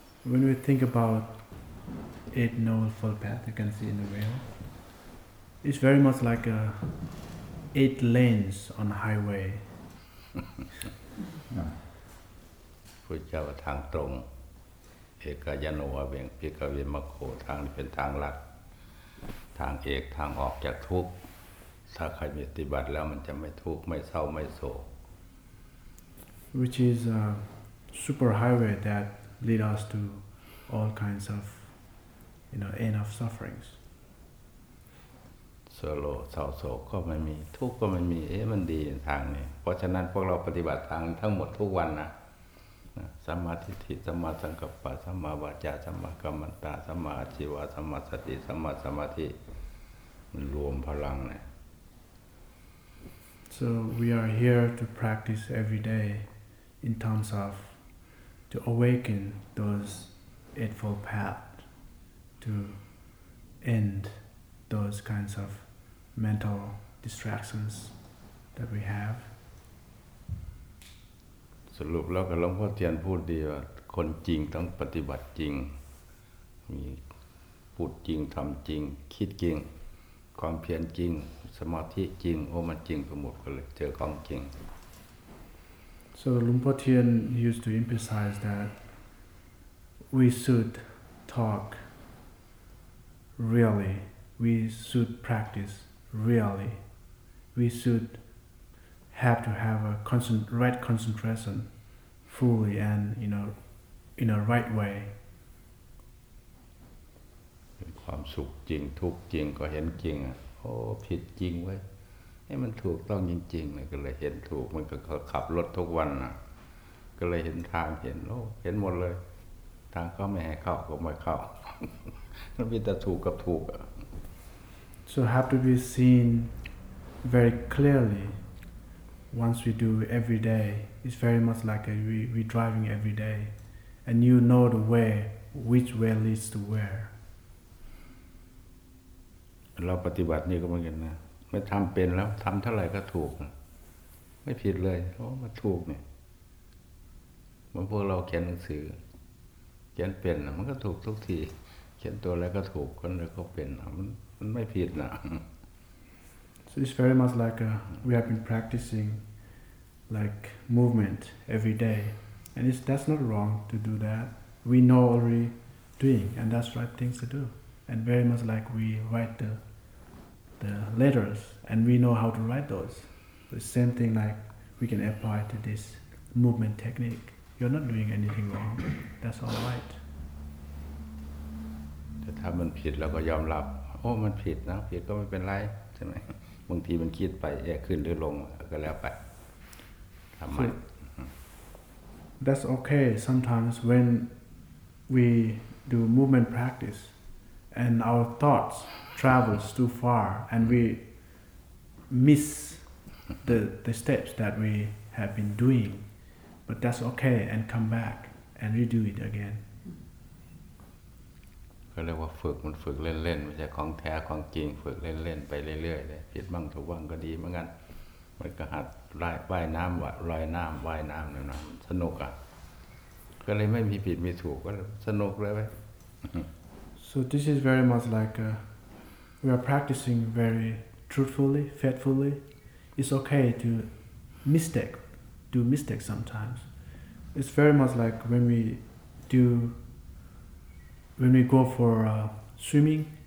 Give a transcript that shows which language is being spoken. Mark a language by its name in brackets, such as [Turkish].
[English] When we think about eight noblefold path you can see in the wheel it's very much like a eight lanes on highway [Thai] พุทธเจ้าว่าทางตรงเอกยโนเวงภิกขเวมัคโคทางนี้เป็นทางหลักทางเอกทางออกจากทุกข์ถ้าใครปฏิบัติแล้วมันจะไม่ทุกข์ไม่เศร้าไม่โศก [English] which is a super highway that lead us to all kinds of you know end of sufferings [Thai] สโลเศร้าโศกก็ไม่มีทุกข์ก็ไม่มีมันดีทางนี้เพราะฉะนั้นพวกเราปฏิบัติทางทั้งหมดทุกวันนะสัมมาทิฏฐิสัมมาสังกัปปะสัมมาวาจาสัมมากัมมันตะสัมมาอาชีวะสัมมาสติสัมมาสมาธิมันรวมพลังเลย [English] So we are here to practice every day in terms of to awaken those eightfold path to end those kinds of mental distractions that we have. [Thai] สรุปแล้วกับหลวงพ่อเทียนพูดดีว่าคนจริงต้องปฏิบัติจริงมีพูดจริงทำจริงคิดจริงความเพียรจริงสมาธิจริงโอ้มันจริงไปหมดก็เลยเจอของจริง [English] So หลวงพ่อเทียน used to emphasize that we should talk really we should practice really we shouldhave to have a right concentration fully and in a right way [Thai] ความสุขจริงทุกข์จริงก็เห็นจริงอ่ะโอ้ผิดจริงเว้ยให้มันถูกต้องจริงๆเลยก็เลยเห็นถูกมันก็ขับรถทุกวันน่ะก็เลยเห็นทางเห็นโอ้เห็นหมดเลยทางก็ไม่ให้เข้าก็ไม่เข้ามันมีแต่ถูกกับถูกอ่ะ [English] so have to be seen very clearlyOnce we do every day, it's very much like we driving every day, and you know the way, which way leads to where. [Thai] เราปฏิบัตินี่ก็เหมือนกันนะไม่ทำเป็นแล้วทำเท่าไหร่ก็ถูกไม่ผิดเลยโอ้มาถูกเนี่ยมันพวกเราเขียนหนังสือเขียนเป็นมันก็ถูกทุกทีเขียนตัวแล้วก็ถูกคนแล้วก็เป็นมันไม่ผิดนะ [English] So it's very much like we have been practicing like movement every day and that's not wrong to do that. We know already doing and that's right things to do. And very much like we write the letters and we know how to write those. The same thing like we can apply to this movement technique. You're not doing anything wrong. That's all right. If it's wrong, we'll accept it. Oh, it's wrong. If it's wrong, it's not a problem, right? [Thai] บางทีมันคิดไปแอบขึ้นหรือลงก็แล้วไปทำไม [English] That's okay sometimes when we do movement practice and our thoughts travels too far and we miss the steps that we have been doing but that's okay and come back and redo it again [Thai] ก็เรียกว่าฝึกมันฝึกเล่นๆไม่ใช่ของแท้ของจริงฝึกเล่นๆไปเรื่อยๆเลยผิดบ้างถูกบ้างก็ดีเหมือนกันมันก็หัดว่ายน้ำลอยน้ำว่ายน้ำเนาะสนุกอ่ะก็เลยไม่มีผิดมีถูกก็สนุกเลยไป [English] So this is very much like we are practicing very truthfully faithfully it's okay to do mistakes sometimes it's very much like when we go for swimming,